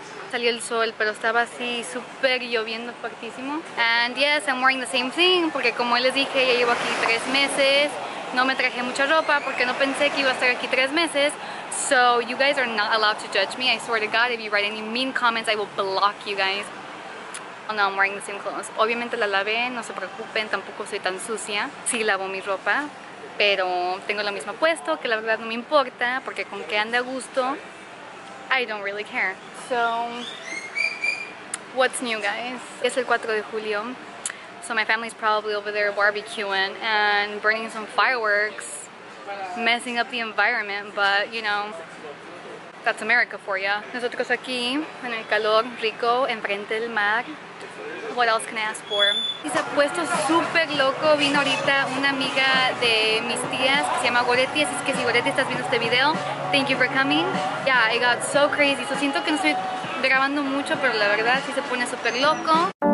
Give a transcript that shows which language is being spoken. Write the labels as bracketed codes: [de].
[es] Salió el sol, pero estaba así súper lloviendo fuertísimo. [en] And yes, I'm wearing the same thing, [es] porque como les dije, ya llevo aquí 3 meses. No me traje mucha ropa porque no pensé que iba a estar aquí 3 meses. [en] So you guys are not allowed to judge me. I swear to God, if you write any mean comments, I will block you guys. Oh, no, I'm wearing the same clothes. [es] Obviamente la lavé, no se preocupen, tampoco soy tan sucia. Sí lavo mi ropa, pero tengo lo mismo puesto, que la verdad no me importa, porque con que ande a gusto, [en] I don't really care. So, what's new, guys? [es] Es el 4 de julio. [en] So my family's probably over there barbecuing and burning some fireworks, messing up the environment, but you know, that's America for ya. [es] Nosotros aquí, en el calor rico, enfrente del mar. [en] What else can I ask for? [es] Y se ha puesto súper loco. Vino ahorita una amiga de mis tías que se llama Goretti. Así es que si Goretti estás viendo este video, [en] thank you for coming. Yeah, it got so crazy. [es] So siento que no estoy grabando mucho, pero la verdad sí se pone súper loco.